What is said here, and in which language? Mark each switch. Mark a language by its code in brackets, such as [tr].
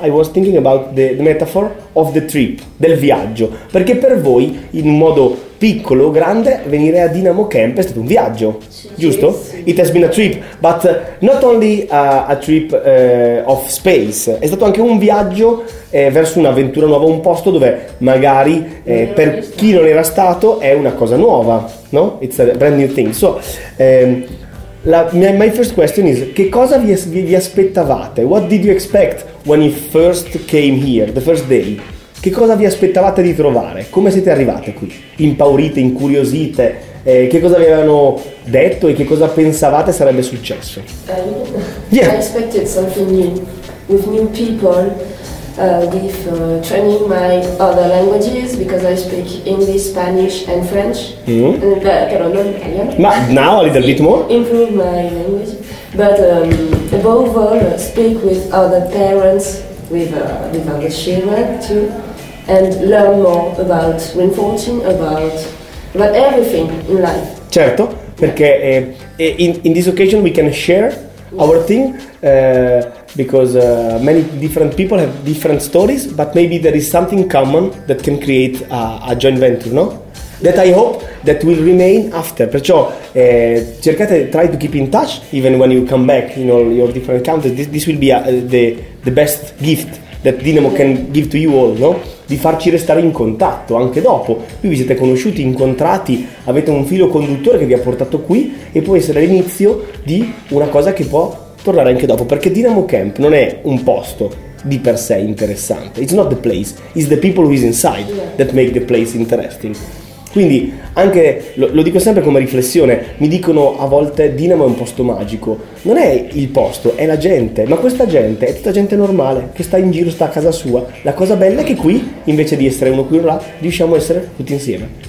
[en] I was thinking about the metaphor of the trip, [it] del viaggio. Perché per voi, in un modo piccolo o grande, venire a Dinamo Camp è stato un viaggio, giusto? [en] It has been a trip, but not only a trip of space. [it] È stato anche un viaggio verso un'avventura nuova, un posto dove magari per chi non era stato è una cosa nuova, no? [en] It's a brand new thing. So, my first question is, [it] che cosa vi aspettavate? [en] What did you expect when you first came here, the first day? [it] Che cosa vi aspettavate di trovare? Come siete arrivate qui? Impaurite, incuriosite? Che cosa vi avevano detto e che cosa pensavate sarebbe successo? [en] Yeah. I expected something new, with new people, with training my other languages, because I speak English, Spanish and French. [it] Però non italiano. [en] Ma now a little bit more? Improve my language. But above all, speak with other parents, with other children too. And learn more about reinforcing, about everything in life. [it] Certo, perché [en] in this occasion we can share our thing because many different people have different stories, but maybe there is something common that can create a joint venture, no? That I hope that will remain after. [it] Perciò cercate, [en] try to keep in touch even when you come back in all your different countries. This will be the best gift that Dinamo can give to you all, no? [it] Di farci restare in contatto anche dopo. Qui vi siete conosciuti, incontrati, avete un filo conduttore che vi ha portato qui e può essere l'inizio di una cosa che può tornare anche dopo. Perché Dinamo Camp non è un posto di per sé interessante. [en] It's not the place, it's the people who is inside that make the place interesting. [it] Quindi anche, lo dico sempre come riflessione, mi dicono a volte Dinamo è un posto magico. Non è il posto, è la gente. Ma questa gente è tutta gente normale, che sta in giro, sta a casa sua. La cosa bella è che qui, invece di essere uno qui o là, riusciamo a essere tutti insieme.